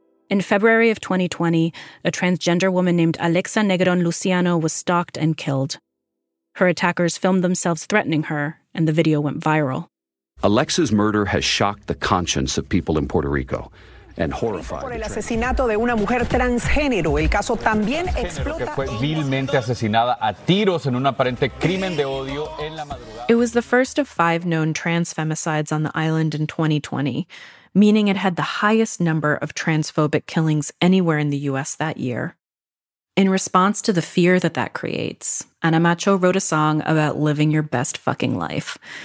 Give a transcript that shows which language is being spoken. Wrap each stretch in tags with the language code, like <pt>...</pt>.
<en>In February of 2020, a transgender woman named Alexa Negron Luciano was stalked and killed. Her attackers filmed themselves threatening her, and the video went viral. Alexa's murder has shocked the conscience of people in Puerto Rico and horrified.</en> <es>Por el asesinato de una mujer transgénero, el caso también explota. Que fue vilmente asesinada a tiros en un aparente crimen de odio en la madrugada.</es> <en>It was the first of five known trans femicides on the island in 2020. Meaning it had the highest number of transphobic killings anywhere in the U.S. that year. In response to the fear that that creates, Ana Macho wrote a song about living your best fucking life.</en>